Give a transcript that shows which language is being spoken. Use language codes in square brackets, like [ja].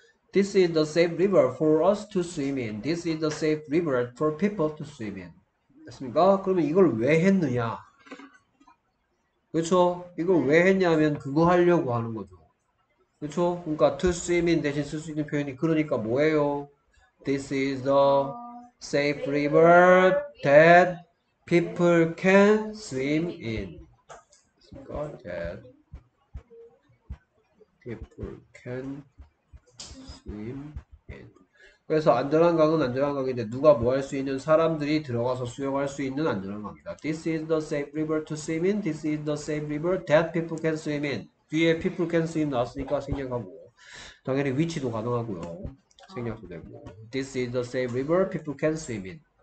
[en] This is the safe river for us to swim in. This is the safe river for people to swim in. [ko] 맞습니까? 그러면 이걸 왜 했느냐? 그렇죠? 이걸 왜 했냐면 그거 하려고 하는 거죠. 그렇죠? 그러니까 [en] to swim in [ko] 대신 쓸수 있는 표현이 그러니까 뭐예요? [en] This is the safe river that people can swim in. [ko] 그러니까 [en] that people can swim in. [ko] 그래서 안전한 강은 안전한 강인데 누가 뭐할수 있는 사람들이 들어가서 수영할 수 있는 안전한 강이다. [en] This is the safe river to swim in. This is the safe river that people can swim in. [ko] 뒤에 people can swim 나왔으니까 생략하고 당연히 위치도 가능하고요. 생략도 되고. [en] This is the safe river people can swim in.